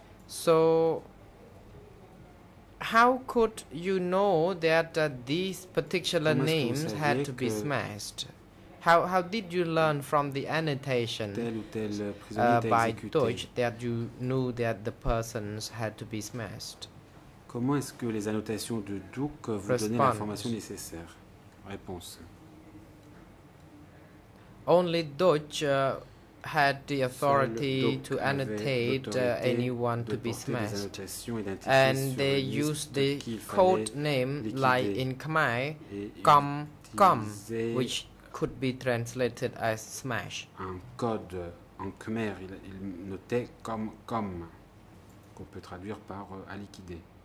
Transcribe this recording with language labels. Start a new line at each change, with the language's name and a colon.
English: So how could you know that these particular names had to be smashed? How did you learn from the annotation by Deutsch that you knew that the persons had to be smashed?
French: Comment est-ce que les annotations de Duc vous donnaient l'information nécessaire? Réponse.
English: Only Deutsch had the authority to annotate anyone to be smashed. And they used the code name like in Khmer, Kom, which could be translated as smash.
French: Un code en Khmer, il notait Kom, qu'on peut traduire par à liquider.